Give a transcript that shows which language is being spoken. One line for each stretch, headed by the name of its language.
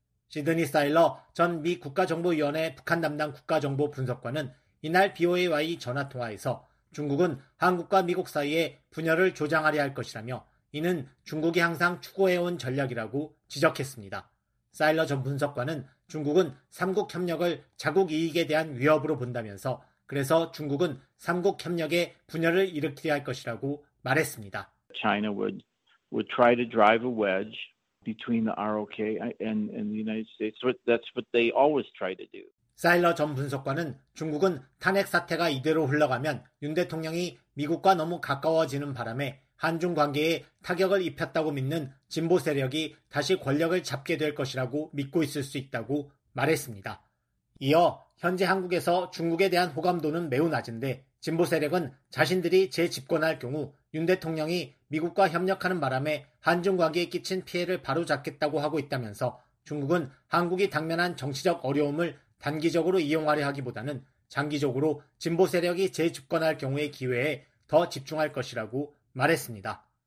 Korean: 시드니 사일러 전 미 국가정보위원회 북한 담당 국가정보 분석관은 이날 BOA와의 전화통화에서 중국은 한국과 미국 사이에 분열을 조장하려 할 것이라며 이는 중국이 항상 추구해온 전략이라고 지적했습니다. 사일러 전 분석관은 중국은 3국협력을 자국 이익에 대한 위협으로 본다면서 그래서 중국은 3국협력의 분열을 일으키려 할 것이라고 말했습니다.
English: China would try to drive a wedge between the ROK and the United States. That's what they always try to do.
Korean: 사일러 전 분석관은 중국은 탄핵 사태가 이대로 흘러가면 윤 대통령이 미국과 너무 가까워지는 바람에 한중 관계에 타격을 입혔다고 믿는 진보 세력이 다시 권력을 잡게 될 것이라고 믿고 있을 수 있다고 말했습니다. 이어 현재 한국에서 중국에 대한 호감도는 매우 낮은데 진보 세력은 자신들이 재집권할 경우 윤 대통령이 미국과 협력하는 바람에 한중 관계에 끼친 피해를 바로잡겠다고 하고 있다면서 중국은 한국이 당면한 정치적 어려움을 단기적으로 이용하려 하기보다는 장기적으로 진보 세력이 재집권할 경우의 기회에 더 집중할 것이라고 말했습니다.